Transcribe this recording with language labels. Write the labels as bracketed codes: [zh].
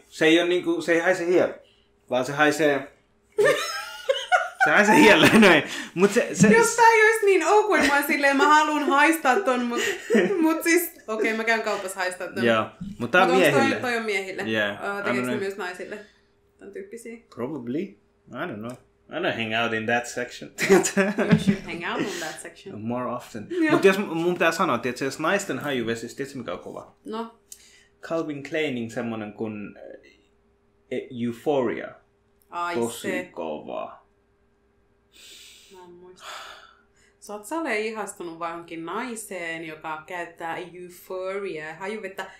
[fi] Se ei, niinku, se ei haise hielu, vaan se haisee... Sehän se hiellä, noin. Jos tää ei olisi niin awkward, mä silleen, mä haluun haistaa ton, mut siis, okei, mä käyn kaupassa haistaa ton. Joo, mutta tää on miehille. Toi on miehille. [en] Yeah. [fi] Tekeekö myös naisille tän tyyppisiä? [en] Probably. I don't know. I don't hang out in that section. You should hang out in that section. More often. Yeah. [fi] Mut jos mun pitää sanoa, tietysti jos naisten hajuvesi, tietysti mikä on kova? No. Calvin Kleinin semmonen kun Euphoria. Ai tosi se. Kova. Mä en muista. Sä oot ihastunut vaankin naiseen, joka käyttää Euphoria ja hajuvettä.